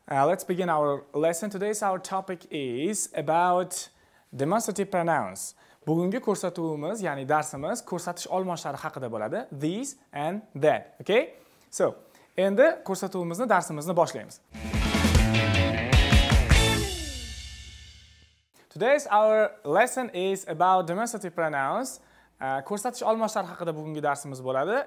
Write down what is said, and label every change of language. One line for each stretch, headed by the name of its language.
English: Let's begin our lesson. Today's our topic is about demonstrative pronouns.
Uzbek: Bugungi ko'rsatuvimiz, ya'ni darsimiz ko'rsatish olmoshlari haqida bo'ladi.
English: These and that. Okay? So,
Uzbek: endi ko'rsatuvimizni, darsimizni boshlaymiz.
English: Today's our lesson is about demonstrative pronouns.
Uzbek: Ko'rsatish olmoshlari haqida bugungi darsimiz bo'ladi.